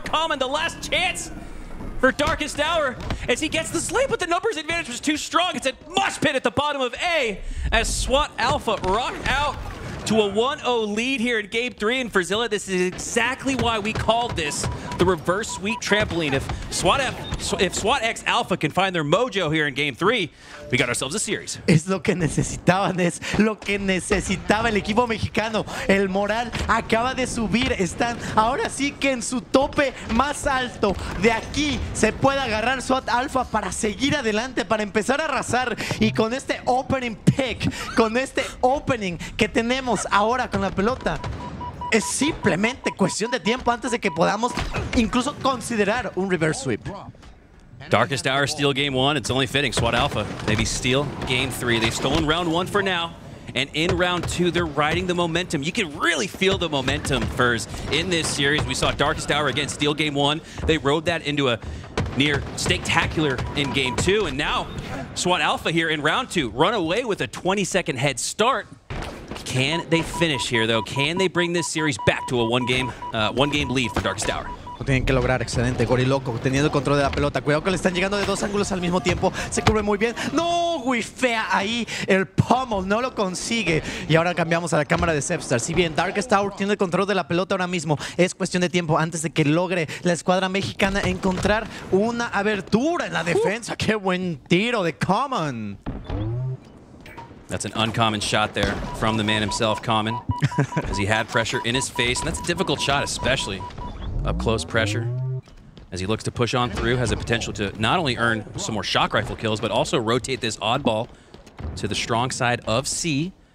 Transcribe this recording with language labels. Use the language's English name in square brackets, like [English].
[English] Common, the last chance for Darkest Hour as he gets the sleep, but the numbers advantage was too strong. It's a mosh pit at the bottom of A as SWAT Alpha rock out to a 1-0 lead here in Game 3. And for Zilla, this is exactly why we called this the reverse sweet trampoline. If SWAT X Alpha can find their mojo here in Game 3, we got ourselves a series. [Spanish] Es lo que necesitaban, es lo que necesitaba el equipo mexicano. El moral acaba de subir. Están ahora sí que en su tope más alto. De aquí se puede agarrar SWAT Alpha para seguir adelante, para empezar a arrasar. Y con este opening pick, con este opening que tenemos ahora con la pelota, es simplemente cuestión de tiempo antes de que podamos incluso considerar un reverse sweep. [English] Darkest Hour steal game one. It's only fitting. SWAT Alpha, maybe steal game three. They've stolen round one for now. And in round two, they're riding the momentum. You can really feel the momentum, Furs, in this series. We saw Darkest Hour again steal game one. They rode that into a near spectacular in game two. And now SWAT Alpha here in round two run away with a 20-second head start. Can they finish here, though? Can they bring this series back to a one game lead for Darkest Hour? [Spanish] Lo tienen que lograr, excelente. Goriloco teniendo el control de la pelota. Cuidado que le están llegando de dos ángulos al mismo tiempo. Se cubre muy bien. ¡No! Wifea ahí el pommel. No lo consigue. Y ahora cambiamos a la cámara de Sepstars. Si bien Darkest Hour tiene el control de la pelota ahora mismo, es cuestión de tiempo antes de que logre la escuadra mexicana encontrar una abertura en la defensa. ¡Qué buen tiro de Common! [English] That's an uncommon shot there from the man himself, Common, as he had pressure in his face. And that's a difficult shot, especially up close pressure. As he looks to push on through, has a potential to not only earn some more shock rifle kills, but also rotate this oddball to the strong side of C.